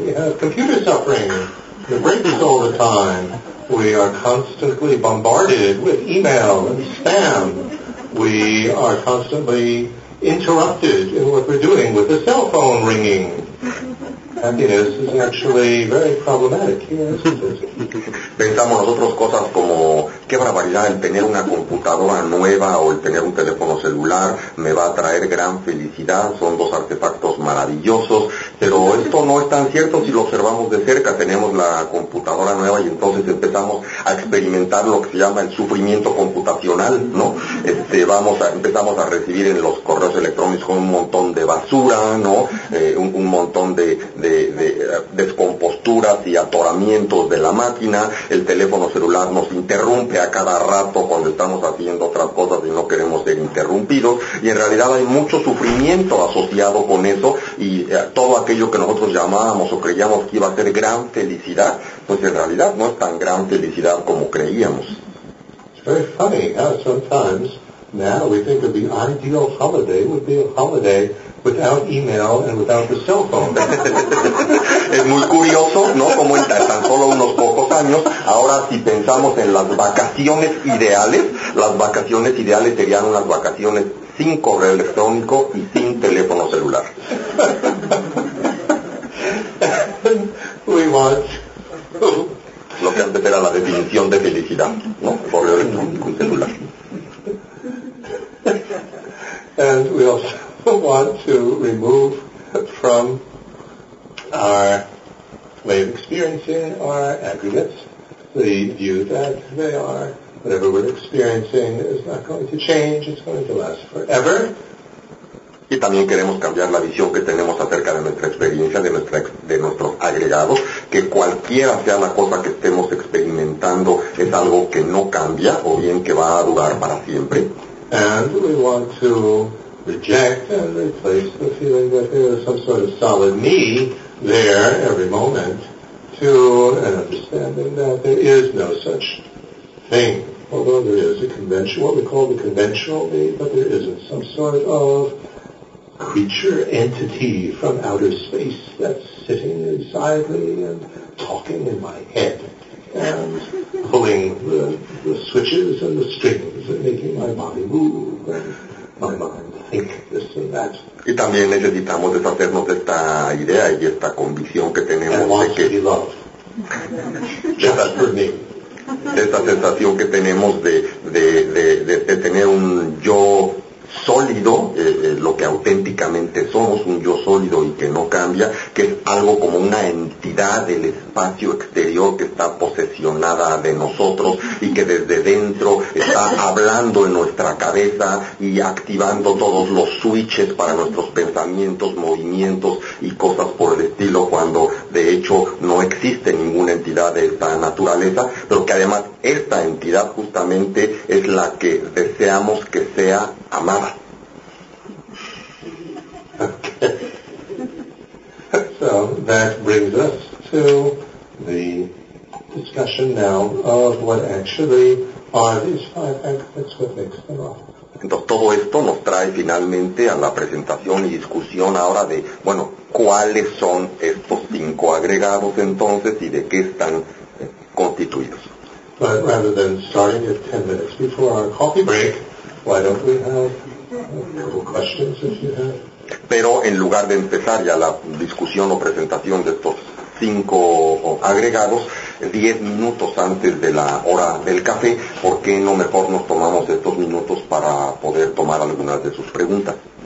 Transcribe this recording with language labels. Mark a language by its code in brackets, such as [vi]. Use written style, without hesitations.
[en] We have computer suffering. The break is all the time. We are constantly bombarded with email and spam. We are constantly interrupted in what we're doing with the cell phone ringing. Happiness is actually very problematic here. [es] Pensamos nosotros cosas como, qué barbaridad, el tener una computadora nueva o el tener un teléfono celular me va a traer gran felicidad, son dos artefactos maravillosos, pero esto no es tan cierto si lo observamos de cerca. Tenemos la computadora nueva y entonces empezamos a experimentar lo que se llama el sufrimiento computacional, ¿no? Empezamos a recibir en los correos electrónicos un montón de basura, ¿no? Un montón de descomposturas y atoramientos de la máquina, el teléfono celular nos interrumpe a cada rato cuando estamos haciendo otras cosas y no queremos ser interrumpidos, y en realidad hay mucho sufrimiento asociado con eso, y todo aquello que nosotros llamábamos o creíamos que iba a ser gran felicidad, pues en realidad no es tan gran felicidad como creíamos. [en] It's very funny how sometimes now we think that the ideal holiday would be a holiday without email and without the cell phone. [es] Es muy curioso, ¿no? Como en tan solo unos pocos años, ahora si pensamos en las vacaciones ideales, las vacaciones ideales serían unas vacaciones sin correo electrónico y sin teléfono celular. [en] We watch. [es] Lo que antes era la definición de felicidad, ¿no? Correo electrónico y celular. [en] And we also want to remove from our way of experiencing our aggregates the view that they are, whatever we're experiencing is not going to change, it's going to last forever. [es] Y también queremos cambiar la visión que tenemos acerca de nuestra experiencia, de nuestros agregados, que cualquiera sea la cosa que estemos experimentando es algo que no cambia o bien que va a durar para siempre. [en] And we want to reject and replace the feeling that there is some sort of solid me there every moment to an understanding that there is no such thing. Although there is a convention, what we call the conventional me, but there isn't some sort of creature entity from outer space that's sitting inside me and talking in my head and pulling the switches and the strings and making my body move and my mind think this and that. [es] Y también necesitamos deshacernos de esta idea y esta convicción que tenemos [en] and [es] de que [en] wants to be loved. Just for me. [es] De esta sensación que tenemos de tener un yo sólido, lo que auténticamente somos, un yo sólido y que no cambia, que es algo como una entidad del espacio exterior que está posesionada de nosotros y que desde dentro está hablando en nuestra cabeza y activando todos los switches para nuestros pensamientos, movimientos y cosas por el estilo, cuando de hecho no existe ninguna entidad de esta naturaleza, pero que además esta entidad justamente es la que deseamos que sea amada. [en] Okay. So that brings us to the discussion now of what actually are these five aggregates, what makes them up. [es] Entonces todo esto nos trae finalmente a la presentación y discusión ahora de, bueno, ¿cuáles son estos cinco agregados entonces y de qué están constituidos? [en] But rather than starting at 10 minutes before our coffee break, why don't we have a couple questions if you have? [es] Pero en lugar de empezar ya la discusión o presentación de estos cinco agregados, 10 minutos antes de la hora del café, ¿por qué no mejor nos tomamos estos minutos para poder tomar algunas de sus preguntas?